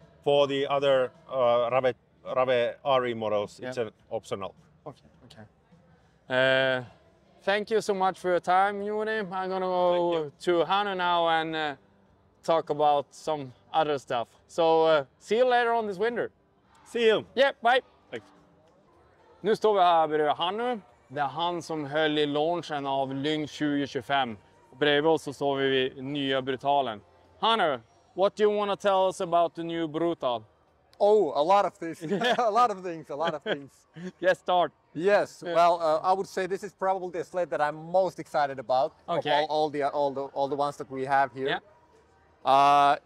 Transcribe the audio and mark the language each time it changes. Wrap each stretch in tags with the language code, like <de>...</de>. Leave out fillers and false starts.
<en>For the other Rave RE models, it's optional. Okay. Thank you so much for your time, Juni. I'm gonna go to Hannu now and talk about some other stuff. So see you later on this winter. See you. Yeah, bye.</en> <sv>Nu står vi här bredvid Hannu. Det är han som höll i launchen av Lynx 2025. Och bredvid oss så står vi vid nya Brutalen.</sv> <en>Hannu, what do you want to tell us about the new Brutal? Oh, a lot of things. Yes, start. Yes, well, I would say this is probably the sled that I'm most excited about. Okay. Of all the ones that we have here. Yeah.</en>